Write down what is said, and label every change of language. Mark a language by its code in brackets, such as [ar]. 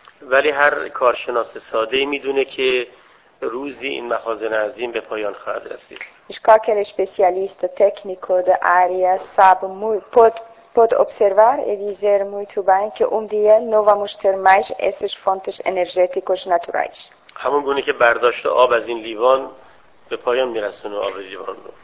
[fa] ولی هر کارشناس ساده میدونه که روزی این مخازن عظیم به پایان خواهد رسید. [pt] Qualquer especialista técnico da área sabe muito, pode observar e dizer muito bem que dia não vamos ter mais essas fontes energéticas naturais. [fa] همون گونه که برداشت آب از این لیوان به پایان میرسونه آب لیوان رو.